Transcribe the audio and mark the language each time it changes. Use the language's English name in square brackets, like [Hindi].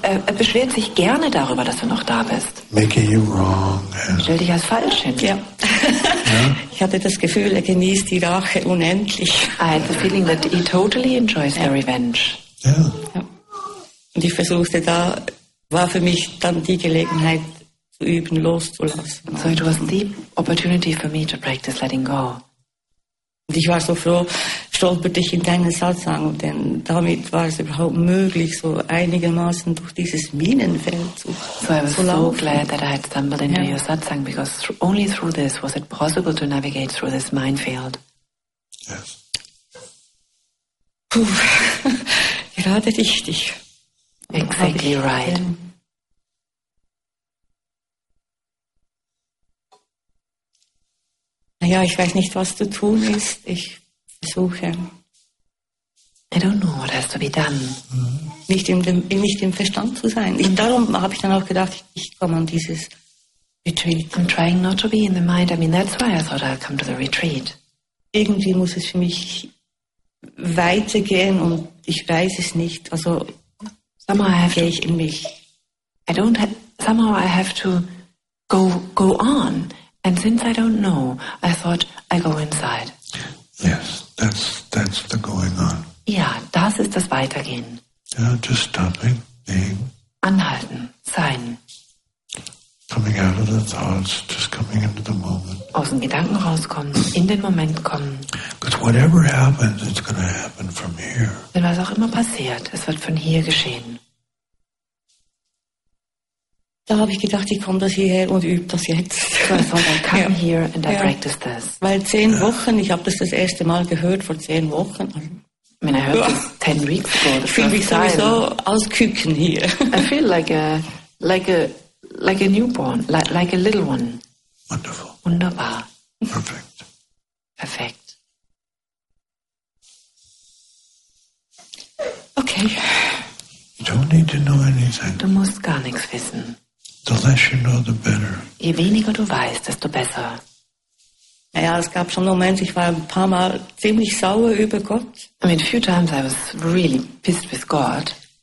[German] Er beschwert sich gerne darüber, dass du noch da bist. [English] Making you wrong. [German] Stell dich als falsch hin. Ja. [English] Yeah. [German] Ich hatte das Gefühl, er genießt die Rache unendlich. [English] I had the feeling that he totally enjoys the revenge. Yeah. [German] Und ich versuchte da, war für mich dann die Gelegenheit, zu üben, loszulassen. [English] So it was the opportunity for me to practice letting go. [German] Und ich war so froh, stolperte ich in deinen Satsang, denn damit war es überhaupt möglich, so einigermaßen durch dieses Minenfeld zu laufen. [English] So I was so glad that I had stumbled into your satsang, because only through this was it possible to navigate through this minefield. Yes. [German] Puh, gerade richtig. [English] Exactly right. [German] Naja, ich weiß nicht, was zu tun ist. Ich versuche. [English] I don't know what has to be done. [German] Nicht im Verstand zu sein. Darum habe ich dann auch gedacht, ich komme an dieses Retreat. [English] I'm trying not to be in the mind. I mean, that's why I thought I'd come to the retreat. [German] Irgendwie muss es für mich weitergehen und ich weiß es nicht. Also, [English] somehow I have to go on. And since I don't know, I thought I go inside. Yes, that's the going on. [German] Yeah, das ist das Weitergehen. [English] You know, just stopping, being. [German] Anhalten, sein. [English] Coming out of the thoughts, just coming into the moment. [German] Aus den Gedanken rauskommen, in den Moment kommen. [English] Because whatever happens, it's going to happen from here. [German] Denn was auch immer passiert, es wird von hier geschehen. Da habe ich gedacht, ich komme das hierher und übe das jetzt. [English] So I thought, I come here and I practice this. [German] Weil 10 Wochen, ich habe das erste Mal gehört vor 10 Wochen. [English] I mean, I heard this 10 weeks ago. [German] Ich fühle mich sowieso als Küken hier. [English] I feel like a newborn, like a little one. Wonderful. [German] Wunderbar. [English] Perfect. [German] Perfekt. [English] Okay. You don't need to know anything. [German] Du musst gar nichts wissen. [English] The less you know, the better. [German] Je weniger du weißt, desto besser. Naja, es gab schon Momente, ich war ein paar Mal ziemlich sauer über Gott. [English] I mean, a few times I was really pissed with God.